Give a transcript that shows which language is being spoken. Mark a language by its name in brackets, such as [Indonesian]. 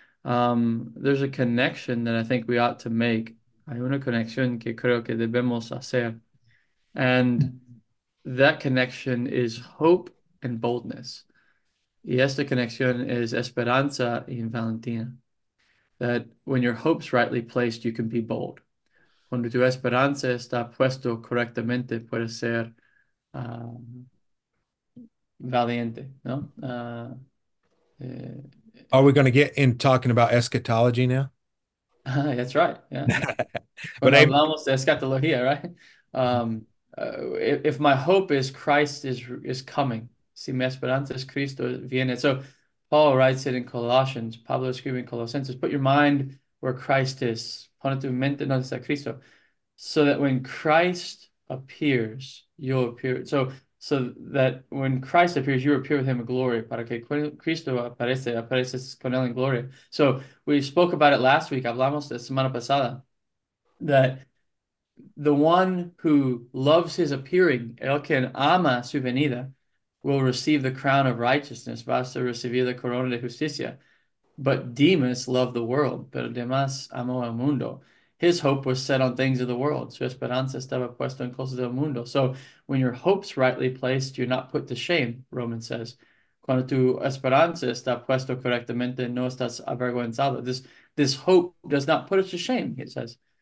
[English] There's a connection that I think we ought to make. [Spanish] Hay una conexión que creo que debemos hacer. [English] And that connection is hope and boldness. [Spanish] Y esta conexión es esperanza y valentía. [English] That when your hope's rightly placed, you can be bold. [Spanish] Cuando tu esperanza está puesto correctamente, puedes ser valiente, ¿no? [English] Are we going to get in talking about eschatology now? That's right. Yeah. But [Spanish] hablamos de eschatología, [English] right? If my hope is Christ is coming, [Spanish] si mi esperanza es Cristo viene. [English] So Paul writes it in Colossians. [Spanish] Pablo escribe en Colosenses. [English] Put your mind where Christ is. [Spanish] Pon tu mente donde está Cristo. [English] So that when Christ appears, you'll appear. So that when Christ appears, you appear with him in glory. [Spanish] Para que Cristo aparece, apareces con él en gloria. [English] So we spoke about it last week. [Spanish] Hablamos la semana pasada. [English] That the one who loves his appearing, [Spanish] el que ama su venida, [English] will receive the crown of righteousness. [Spanish] Vas a recibir la corona de justicia. [English] But Demas loved the world. [Spanish] Pero Demas amó el mundo. [English] His hope was set on things of the world. [Spanish] Su esperanza estaba puesta en cosas del mundo. [English] So when your hope's rightly placed, you're not put to shame, Romans says. [Spanish] Cuando tu esperanza está puesta correctamente, no estás avergonzado. [English] This hope does not put us to shame, it says.